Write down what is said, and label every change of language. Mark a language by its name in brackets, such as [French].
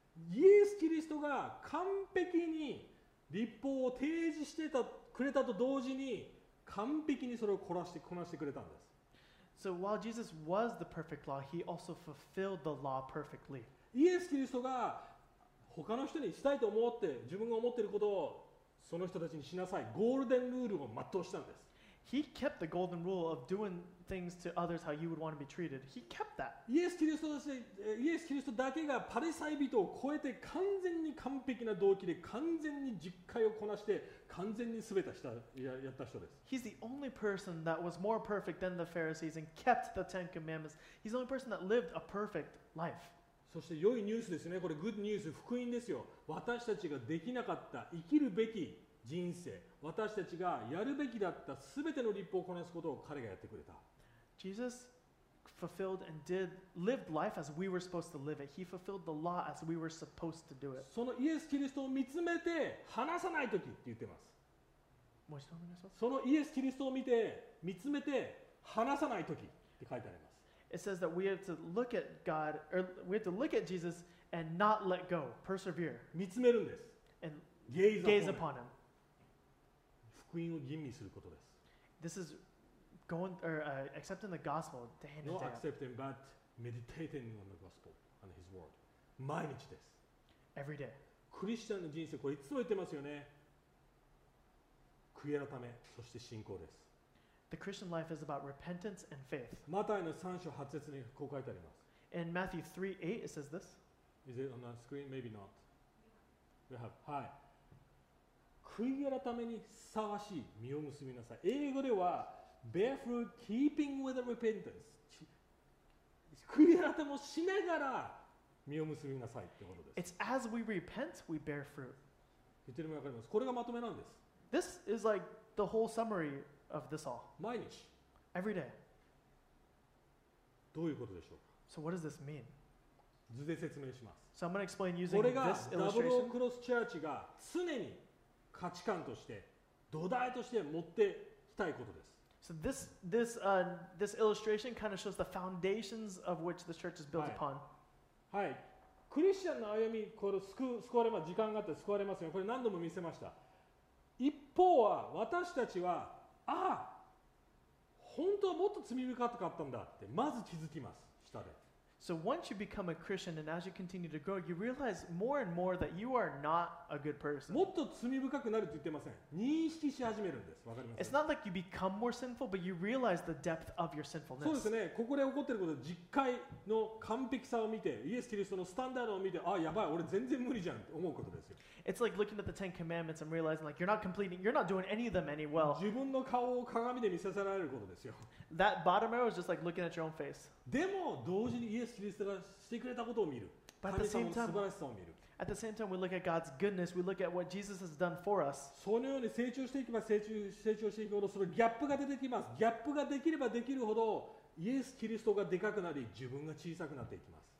[Japanese] イエス・キリストが完璧に律法を提示してたくれたと同時に完璧にそれをこなしてくれたんです。 [English] So while Jesus was the perfect law, he also fulfilled the law perfectly. [Japanese] イエス・キリストが他の人にしたいと思って自分が思っていることをその人たちにしなさい。ゴールデンルールを全うしたんです。 [English] He kept the golden rule of doing things to others how you would want to be treated. He kept that. [Japanese] イエス・キリストだけがパリサイ人を超えて完全に完璧な動機で完全に実会をこなして完全に全てやった人です。 [English] He's the only person that was more perfect than the Pharisees and kept the Ten Commandments. He's the only person that lived a perfect life. [Japanese] そして良いニュースですね。これ [English] good news、 [Japanese] 福音ですよ。私たちができなかった生きるべき人生、私たちがやるべきだったすべての律法をこなすことを彼がやってくれた。 [English] Jesus fulfilled and did lived life as we were supposed to live it. He fulfilled the law as we were supposed to do it. [Japanese] そのイエス・キリストを見つめて話さないときって言ってます。もう一度お願いします。そのイエス・キリストを見つめて話さないときって書いてあります。 [English] It says that we have to look at God or we have to look at Jesus and not let go, persevere. [Japanese] 見つめるんです。 [English] And gaze upon him. [Japanese] 福音を吟味することです。 [English] This is going or accepting the gospel day in day out. Not accepting, but meditating on the gospel and His word. [Japanese] 毎日です。 [English] Every day. [Japanese] クリスチャンの人生これいつも言ってますよね。悔い改め、そして信仰です。 [English] The Christian life is about repentance and faith. [Japanese] マタイの3章8節にこう書いてあります。 [English] In Matthew 3:8, it says this. Is it on the screen? Maybe not. We have hi. [Japanese] 悔い改めにふさわしい実を結びなさい。英語では [English] Bear fruit keeping with the repentance。 [Japanese] 悔い改めをしながら実を結びなさいってことです。 [English] It's as we repent, we bear fruit. [Japanese] 言ってるのが分かります。これがまとめなんです。 [English] This is like the whole summary of this all. [Japanese] 毎日。 [English] Every day. [Japanese] どういうことでしょうか。 [English] So what does this mean? [Japanese] 図で説明します。 [English] So I'm going to explain using this illustration. [Japanese] これがダブルクロスチャーチが常に価値観として土台として持ってきたいことです。 [English] So this illustration kind of shows the foundations of which the church is built upon. [Japanese] はい、クリスチャンの歩み、これ救われます。時間があって救われますよ。これ何度も見せました。一方は私たちは、ああ、本当はもっと罪深かったんだってまず気づきます。下で。 [English] So once you become a Christian and as you continue to grow, you realize more and more that you are not a good person. [Japanese] もっと罪深くなるって言ってません。認識し始めるんです。わかりますか? [English] It's not like you become more sinful, but you realize the depth of your sinfulness. [Japanese] そうですね。ここで起こっていること、実会の完璧さを見て、イエス・キリストのスタンダードを見て、あ、やばい、俺全然無理じゃんって思うことですよ。 [English] It's like looking at the Ten Commandments and realizing like you're not completing, you're not doing any of them any well. [Japanese] 自分の顔を鏡で見させられることですよ。 [English] That bottom arrow is just like looking at your own face. [Japanese] でも同時にイエス・キリストがしてくれたことを見る。 [English] But at the same time, [Japanese] 神様の素晴らしさを見る。 [English] At the same time, we look at God's goodness. We look at what Jesus has done for us. [Japanese] そのように成長していきます。成長していくほど、そのギャップが出てきます。ギャップができればできるほど、イエス・キリストがでかくなり、自分が小さくなっていきます。